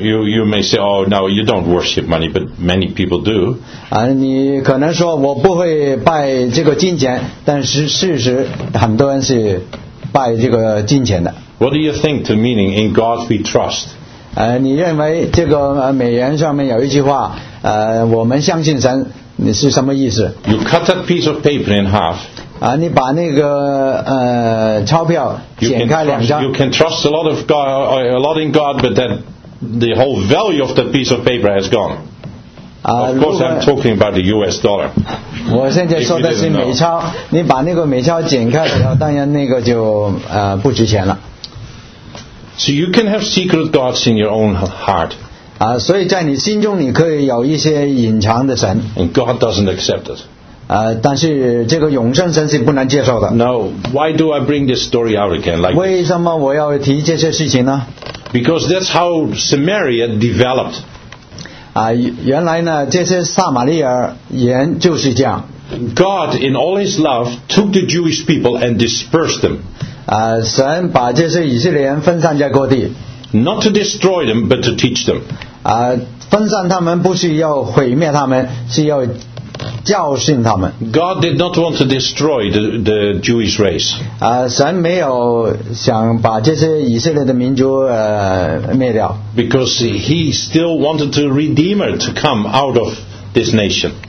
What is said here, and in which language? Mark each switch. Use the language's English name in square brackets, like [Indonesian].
[English] you may say, oh no, you don't worship money, but many people do. [Chinese] 你可能说我不会拜这个金钱，但是事实很多人是拜这个金钱的。 [English] What do you think the meaning in God we trust? [Chinese] 你认为这个美元上面有一句话，我们相信神，你是什么意思？ [English] You cut that piece of paper in half. [Chinese] 你把那个钞票剪开两张。 [English] You can trust a lot of God, a lot in God, but that the whole value of that piece of paper has gone. Of course, I'm talking about the U.S. dollar. [Chinese] 我现在说的是美钞。你把那个美钞剪开了，当然那个就不值钱了。 [English] So you can have secret gods in your own heart. [Chinese] 所以在你心中你可以有一些隐藏的神。 [English] And God doesn't accept it. [Chinese] 但是这个永生神是不能接受的。 [English] Now, why do I bring this story out again? Like, [Chinese] 为什么我要提这些事情呢？ [English] Because that's how Samaria developed. [Chinese] 原来呢，这些撒玛利亚人就是这样。 [English] God, in all His love, took the Jewish people and dispersed them. [Chinese] 神把这些以色列人分散在各地。 [English] Not to destroy them, but to teach them. [Chinese] 分散他们不是要毁灭他们，是要教训他们。 [English] God did not want to destroy the Jewish race. [Chinese] 神没有想把这些以色列的民族灭掉。 [English] Because he still wanted to redeemer to come out of this nation.